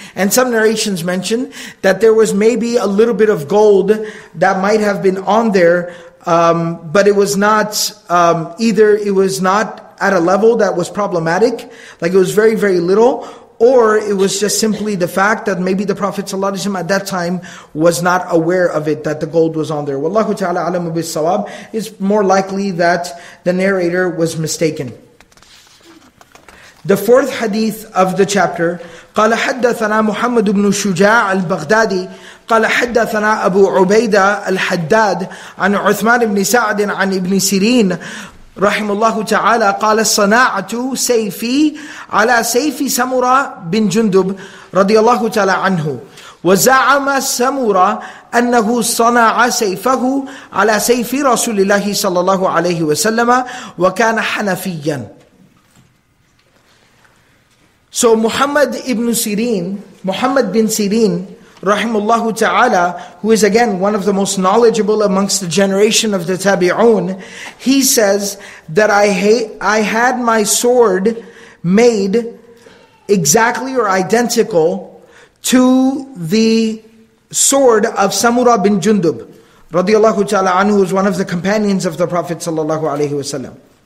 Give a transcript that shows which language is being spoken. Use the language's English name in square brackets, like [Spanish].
[English] And some narrations mention that there was maybe a little bit of gold that might have been on there, but it was not, either it was not at a level that was problematic, like it was very, very little, or it was just simply the fact that maybe the Prophet ﷺ at that time was not aware of it, that the gold was on there. [Arabic] Wallahu ta'ala alamu bis sawab. [English] It's more likely that the narrator was mistaken. The fourth hadith of the chapter, [Arabic] قَالَ حَدَّثَنَا مُحَمَّدُ بْنُ شُجَاعَ الْبَغْدَادِ قَالَ حَدَّثَنَا أَبُو عُبَيْدَةَ الْحَدَّادِ عَنْ عُثْمَانِ بْنِ سَعْدٍ عَنْ إِبْنِ سِرِينَ رحم الله تعالى قال الصناعة سيفي على سيف سمرة بن جندب رضي الله تعالى عنه وزعم سمرة أنه صنع سيفه على سيف رسول الله صلى الله عليه وسلم وكان حنفيا. [English] So Muhammad ibn Sirin, Muhammad bin Sirin rahimullah ta'ala, who is again one of the most knowledgeable amongst the generation of the tabi'un, he says that I had my sword made exactly or identical to the sword of Samura bin Jundub radiyallahu ta'ala anhu, who is one of the companions of the Prophet sallallahu alayhi wasallam.